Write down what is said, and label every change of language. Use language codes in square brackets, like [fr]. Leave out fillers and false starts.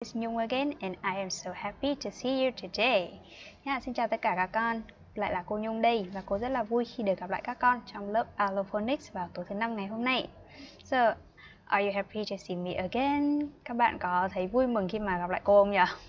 [en] It's Nhung again, and I am so happy to see you today. [vi] Yeah, xin chào tất cả các con, lại là cô Nhung đây, và cô rất là vui khi được gặp lại các con trong lớp Allophonics vào tối thứ năm ngày hôm nay. [en] So, are you happy to see me again? [vi] Các bạn có thấy vui mừng khi mà gặp lại cô không nhỉ?